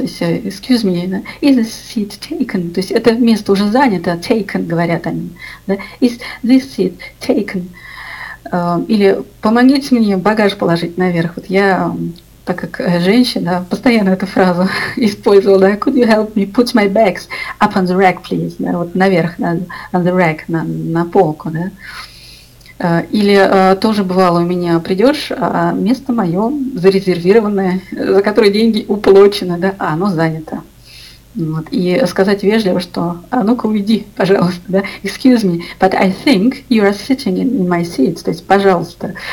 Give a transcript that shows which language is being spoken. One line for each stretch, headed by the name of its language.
Russian: То есть,
English: excuse me, is this seat taken?
Russian: То есть это место уже занято, taken, говорят они.
English: Да? Is this seat taken?
Russian: Или помогите мне багаж положить наверх. Вот я, так как женщина, постоянно эту фразу использовала. Да?
English: Could you help me put my bags up on the rack, please?
Russian: Да? Вот наверх, на,
English: on the rack,
Russian: на полку. Да? Или тоже бывало у меня, придешь, а место мое зарезервированное, за которое деньги уплачены, да, а оно занято. Вот. И сказать вежливо, что «а ну-ка уйди, пожалуйста», да,
English: «excuse me, but I think you are sitting in my seat»,
Russian: то есть «пожалуйста».